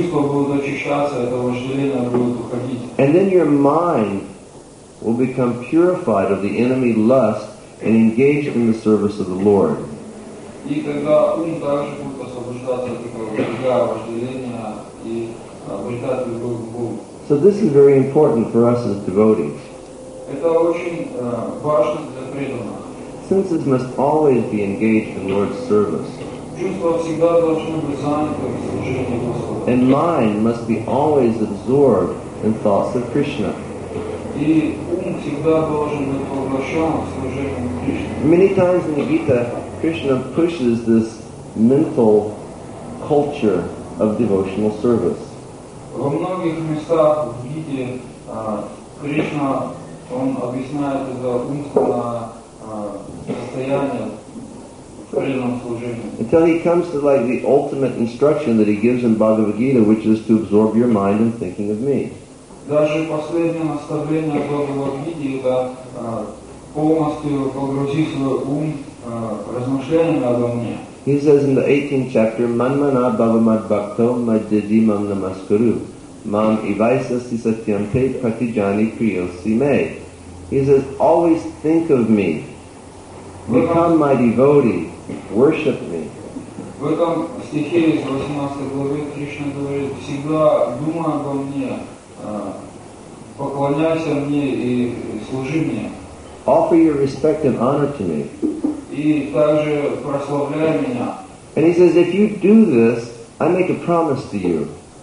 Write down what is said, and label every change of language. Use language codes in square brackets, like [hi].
[en] And then your mind will become purified of the enemy lust and engaged in the service of the Lord. [ru] И тогда ум также будет освобождаться от этого вожделения и обретать любовь к Богу. [en] So this is very important for us as devotees. [ru] Это очень важно для преданных. [en] Senses must always be engaged in Lord's service. [ru] Чувства всегда должны быть заняты в служении Господа. [en] And mind must be always absorbed in thoughts of Krishna. [ru] И ум всегда должен быть поглощен в служении Кришны. [en] Many times in the Gita, Krishna pushes this mental culture of devotional service. [ru] Во многих местах в Гите Кришна он объясняет это умственное состояние в преданном служении. [en] Until he comes to like the ultimate instruction that he gives in Bhagavad Gita, which is to absorb your mind in thinking of me. [ru] Даже последнее наставление в Бхагавад Гите это полностью погрузить свой ум. [en] He says in the 18th chapter, [sa] Manmana Bhavamad Bhakto Majjadi Mam Namaskaru Mam Ivaisa Sisatyam Te Pratijani Priyosi Me. [en] He says, always think of me, become my devotee, worship me. [ru] В этом стихе из 18 главы Кришна говорит, всегда думай обо мне, поклоняйся мне и служи мне. [en] Offer your respect and honor to me. And he says, if you do this, I make a promise to you.